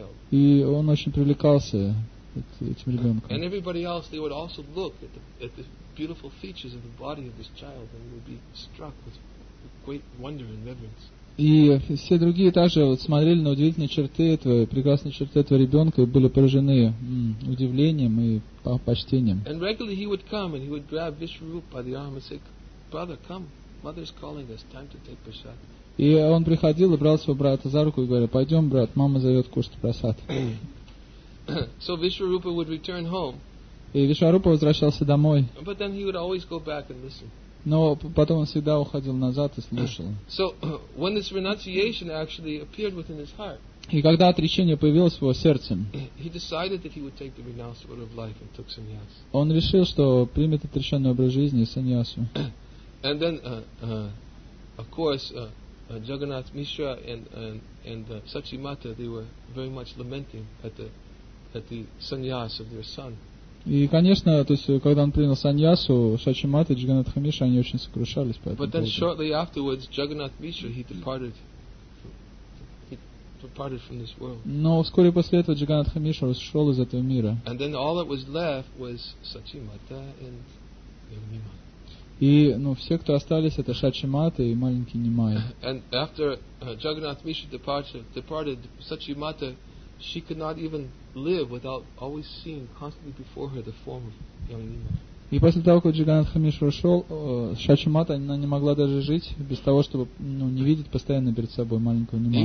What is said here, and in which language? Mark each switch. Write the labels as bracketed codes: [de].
[ru] И он очень привлекался этим ребенком. [en] And everybody else, they would also look at the beautiful features of the body of this child, and would be struck with great wonder and reverence. [ru] И все другие также смотрели на удивительные черты этого, прекрасные черты этого ребенка, и были поражены удивлением и почтением. [en] And regularly he would come and he would grab Vishwarupa by the arm and say, "Brother, come, mother's calling us. Time to take prasad." [ru] И он приходил и брал своего брата за руку и говорил: "Пойдем, брат, мама зовет кушать прасад." [en] So Vishwarupa would return home. [ru] И Вишварупа возвращался домой. [en] But then he would always go back and listen. [ru] Но потом он всегда уходил назад и слушал. [en] So when this renunciation actually appeared within his heart. [ru] И когда отречение появилось в его сердце. [en] He decided that he would take the renounced order of life and took sannyas. [ru] Он решил, что примет отреченный образ жизни и саньясу. [en] And then of course Jagannath Mishra and Sachi Mata, they were very much lamenting at the sannyas of their son. [ru] И, конечно, то есть, когда он принял саньясу, Сачи Мата и Джаганнатх Мишра, они очень сокрушались по этому поводу. [en] But then shortly afterwards, Jagannath Mishra, he departed from this world. [ru] Но вскоре после этого Джаганнатх Мишра ушел из этого мира. [en] And then all that was left was Сачи Мата and Нимай. [ru] И все, кто остались, это Сачи Мата и маленький Нимай. [en] And after Jagannath Mishra departed, Сачи Мата, she could not even live without always seeing constantly before her the form of young Nimai. [ru] И после того, как Джаганнатх Мишра ушел, Сачи Мата она не могла даже жить без того, чтобы не видеть постоянно перед собой маленького Нимая.